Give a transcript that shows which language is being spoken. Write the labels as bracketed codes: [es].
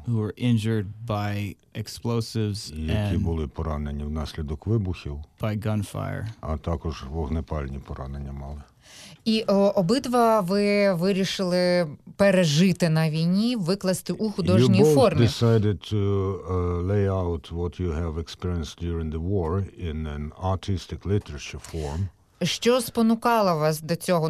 [en] Who were injured by explosives and. [uk] Які були поранені внаслідок вибухів. [en] By gunfire. [uk] А також вогнепальні поранення мали. І обидва ви вирішили пережити на війні, викласти у художній формі. [en] You both decided to lay out what you have experienced during the war in an artistic literature form. [uk] Що спонукало вас до цього?